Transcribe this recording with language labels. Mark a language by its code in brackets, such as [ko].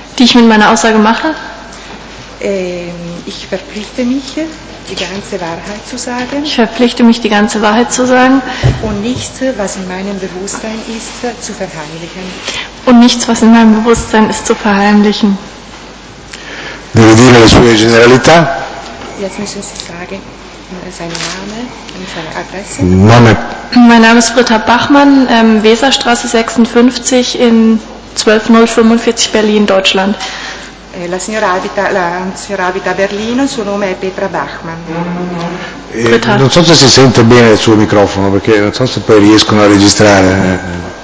[de] Die ich mit meiner Aussage mache? Ich verpflichte mich, die ganze Wahrheit zu sagen. Ich verpflichte mich, die ganze Wahrheit zu sagen. Und nichts, was in meinem Bewusstsein ist, zu verheimlichen. Und nichts, was in meinem Bewusstsein ist, zu verheimlichen. [it] Devo dire le sue generalità? [de] Jetzt müssen Sie sagen, seinen Namen und seine Adresse. Name. Mein Name ist Britta Bachmann, Weserstraße 56 in 12045 Berlin, Deutschland. [it] La signora abita a Berlino, suo nome è Petra Bachmann. Non so se si sente bene il suo microfono, perché non so se poi riescono a registrare.